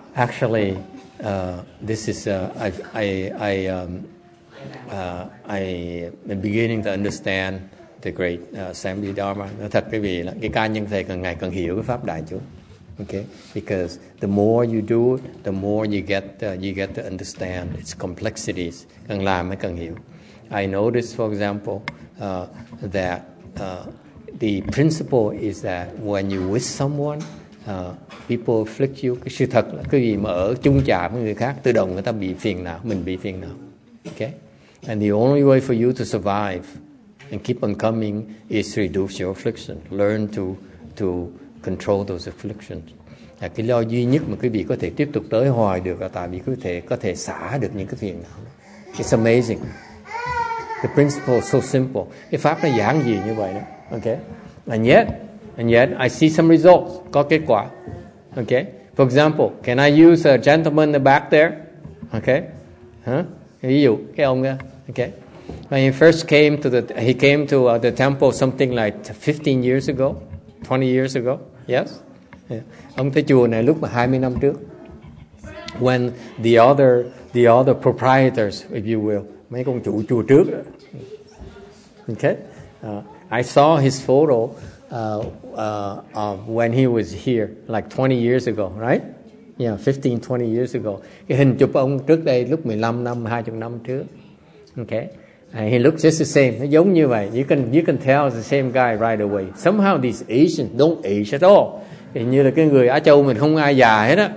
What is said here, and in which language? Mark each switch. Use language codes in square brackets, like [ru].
[en] Actually, this is I'm beginning to understand the great Sambhi Dharma. [vi] Thật quý vị là cái cá nhân thầy càng ngày càng hiểu cái pháp đại chúng. [en] Okay, because the more you do it, the more you get to understand its complexities. [vi] Càng làm mới càng hiểu. [en] I noticed, for example, that the principle is that when you with someone, people afflict you. [vi] Cái sự thật là cái gì mà ở chung chạ với người khác, tự động người ta bị phiền não, mình bị phiền não. [en] Okay, and the only way for you to survive and keep on coming is to reduce your affliction. Learn to control those afflictions. [vi] Là cái lo duy nhất mà quý vị có thể tiếp tục tới hoài được là tại vì quý vị có thể xả được những cái phiền não. [en] It's amazing. The principle is so simple. [vi] Cái pháp nó giản dị như vậy đó. [en] Okay. And yet, I see some results. [vi] Có kết quả. [en] Okay. For example, can I use a gentleman in the back there? Okay. Huh? [vi] Ví dụ, cái ông đó. [en] Okay. When he came to the temple something like 15 years ago. 20 years ago, yes. Yeah. [vi] Ông tới chùa này lúc mà 20 năm trước. [en] When the other proprietors, if you will, [vi] mấy ông chủ chùa trước. Okay. [en] I saw his photo of when he was here, like 20 years ago, right? Yeah, 15, 20 years ago. [vi] Cái hình chụp ông trước đây lúc 15 năm, 20 năm trước. [en] Okay. He looks just the same. [vi] Nó giống như vậy. [en] You can tell it's the same guy right away. Somehow these Asians don't age at all. [vi] Hình như là cái người Á Châu mình không ai già hết á.